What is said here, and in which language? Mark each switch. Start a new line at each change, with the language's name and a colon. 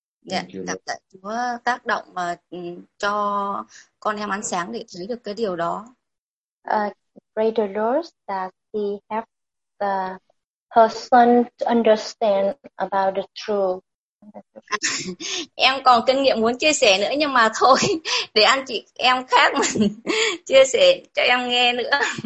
Vietnamese: Yeah, cảm tạ Chúa tác động mà cho con em ánh sáng để thấy được cái điều đó.
English: Pray the Lord that he have the her son to understand about the truth.
Vietnamese: Em còn kinh nghiệm muốn chia sẻ nữa nhưng mà thôi, để anh chị em khác mà chia sẻ cho em nghe nữa.